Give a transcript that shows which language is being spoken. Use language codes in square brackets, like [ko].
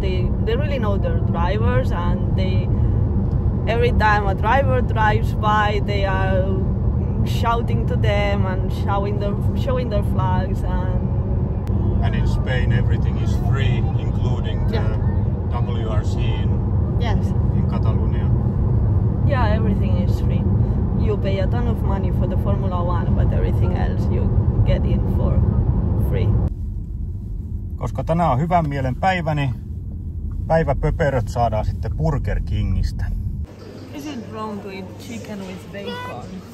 [en] They really know their drivers and they every time a driver drives by they are shouting to them and showing their flags and in Spain everything is free including the WRC in Catalonia. Yeah, everything is free. You pay a ton of money for the Formula One but everything else you get in for free. [fi] Koska tänään on hyvän mielen päivä, niin päiväpöperöt saadaan sitten Burger Kingistä. [en] Is it wrong to eat chicken with bacon?